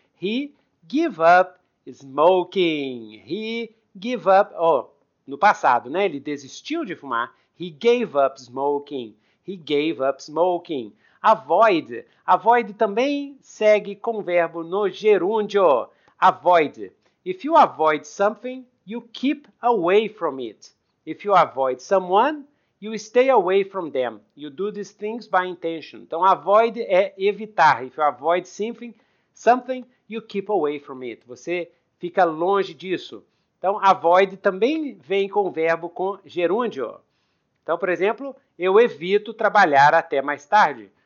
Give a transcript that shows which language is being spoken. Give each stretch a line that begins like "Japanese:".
English: He give up smoking. He give up.
Portuguese: Oh, no passado, né? Ele desistiu de fumar.
English: He gave up smoking. He gave up smoking. Avoid.
Portuguese: Avoid também segue com o verbo no gerúndio.
English: Avoid. If you avoid something, you keep away from it. If you avoid someone, you stay away from them. You do these things by intention.
Portuguese: Então, avoid é evitar.
English: If you avoid something, you keep away from it.
Portuguese: Você fica longe disso. Então, avoid também vem com o verbo com gerúndio. Então, por exemplo, eu evito trabalhar até mais tarde.